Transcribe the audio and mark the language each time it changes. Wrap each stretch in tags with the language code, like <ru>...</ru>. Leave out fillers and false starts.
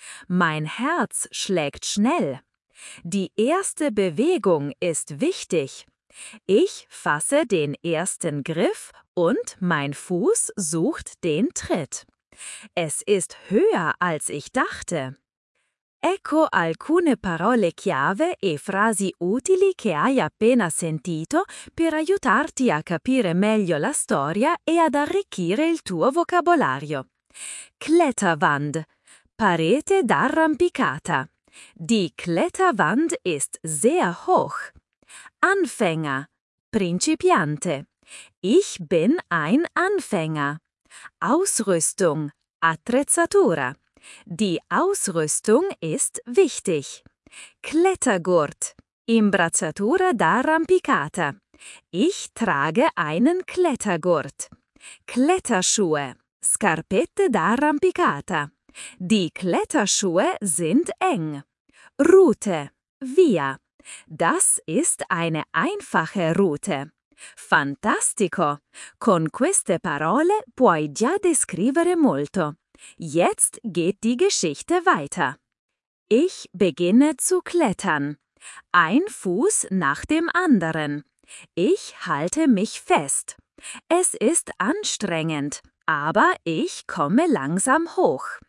<de>Mein Herz schlägt schnell. Die erste Bewegung ist wichtig. Ich fasse den ersten Griff und mein Fuß sucht den Tritt. Es ist höher, als ich dachte.</de> <it>Ecco alcune parole chiave e frasi utili che hai appena sentito per aiutarti a capire meglio la storia e ad arricchire il tuo vocabolario. Kletterwand, parete d'arrampicata.</it> <de>Die Kletterwand ist sehr hoch. Anfänger, principiante. Ich bin ein Anfänger. Ausrüstung, attrezzatura. Die Ausrüstung ist wichtig. Klettergurt,</de> <it>imbracciatura d'arrampicata.</it> <de>Ich trage einen Klettergurt. Kletterschuhe,</de> <it>scarpette d'arrampicata.</it> <de>Die Kletterschuhe sind eng. Route, via. Das ist eine einfache Route.</de> <it>Fantastico! Con queste parole puoi già descrivere molto.</it> <de>Jetzt geht die Geschichte weiter. Ich beginne zu klettern. Ein Fuß nach dem anderen. Ich halte mich fest. Es ist anstrengend, aber ich komme langsam hoch.</de>